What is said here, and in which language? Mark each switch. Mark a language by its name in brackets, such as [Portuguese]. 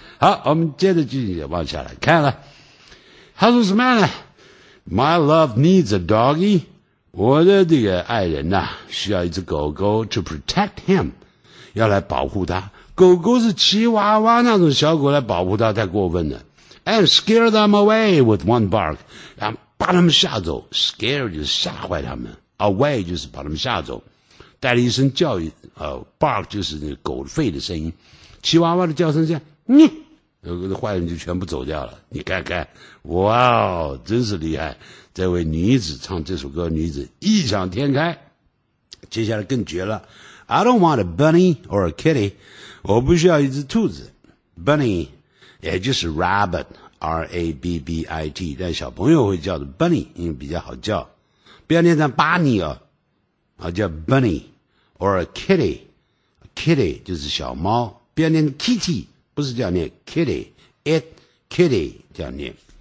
[Chinese] 好，我们接着继续往下来看了。他说什么呢？ [English] My love needs a doggy. [Chinese] 我的这个爱人啊，需要一只狗狗 [English] to protect him. [Chinese] 要来保护他。狗狗是奇娃娃那种小狗来保护他，太过分了。 [English] And scare them away with one bark. [Chinese] 把他们吓走， scare 就是吓坏他们， away 就是把他们吓走，带了一声叫语、bark 就是那个狗吠的声音，奇娃娃的叫声，这样你坏人就全部走掉了。你看看，哇，真是厉害，这位女子唱这首歌，女子异想天开。 [English] 接下来更绝了， I don't want a bunny or a kitty， [Chinese] 我不需要一只兔子。 bunny 也就是 rabbitR-A-B-B-I-T， 但小朋友会叫的 Bunny， 因为比较好叫，不要念成 Bunny 哦，啊，叫 Bunny or Kitty， Kitty 就是小猫，不要念 Kitty， 不是叫念 Kitty， It Kitty 这样念。